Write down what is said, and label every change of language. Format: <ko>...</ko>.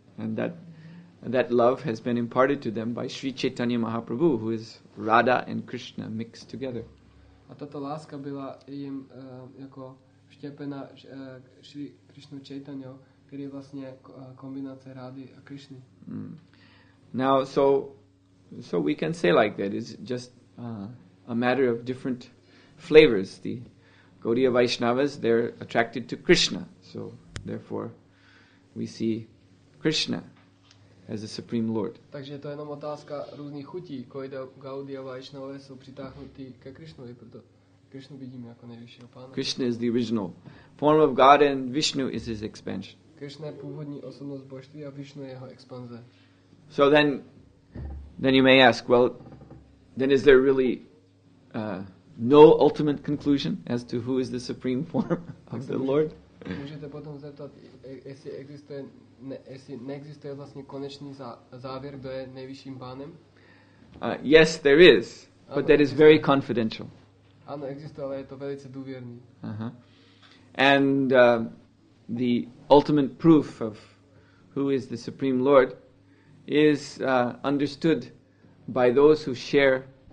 <en>And that love has been imparted to them by Sri Chaitanya Mahaprabhu, who is Radha and Krishna mixed together.</en> <cs>A tato láska byla jim jako vštěpena Šri Krishna Chaitanya, který je vlastně kombinace Rády a Krishny.</cs> <en>Mm. Now, so we can say like that. It's just a matter of different flavors. The Gaudiya Vaishnavas, they're attracted to Krishna. So, therefore, we see Krishna as the Supreme Lord.</en> <cs>Takže to je jenom otázka různých chutí. Gaudiya Vaishnavas jsou přitáhnutí ke Krishnovi, proto Krishnu vidím jako nejvyššího pána.</cs> <en>Krishna is the original form of God and Vishnu is his expansion.</en> <cs>Krishna je původní osobnost božství a Vishnu je jeho expanze.</cs> <en>So then you may ask, well, then is there really no ultimate conclusion as to who is the supreme form of the Lord?</en> <cs>Můžete potom zeptat, jestli existuje, jestli neexistuje vlastně konečný závěr, kdo je nejvyšším pánem?</cs> <en>Yes, there is, but that is very confidential.</en> <cs>Ano, existuje, ale je to velice důvěrný.</cs> <en>And the ultimate proof of who is the supreme Lord is understood by those who share</en>